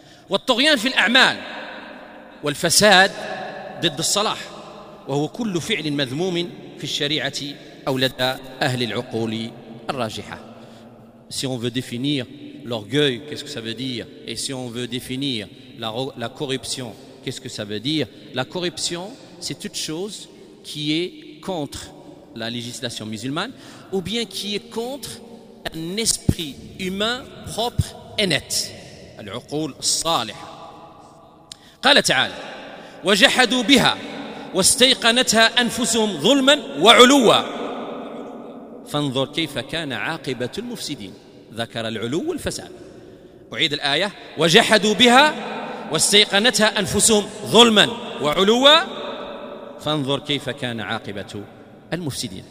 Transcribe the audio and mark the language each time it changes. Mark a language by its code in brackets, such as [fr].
[ar] والطغيان في الأعمال والفساد ضد الصلاح وهو كل فعل مذموم في الشريعة أو لدى أهل العقول الراجحة. [fr] Si on veut définir l'orgueil, qu'est-ce que ça veut dire? Et si on veut définir la corruption, qu'est-ce que ça veut dire? La corruption, c'est toute chose qui est contre la législation musulmane ou bien qui est contre un esprit humain propre et net. [ar] العقول الصالحة. قال تعالى وجحدوا بها واستيقنتها أنفسهم ظلما وعلوا فانظر كيف كان عاقبة المفسدين. ذكر العلو والفساد. أعيد الآية وجحدوا بها واستيقنتها أنفسهم ظلما وعلوا فانظر كيف كان عاقبة المفسدين.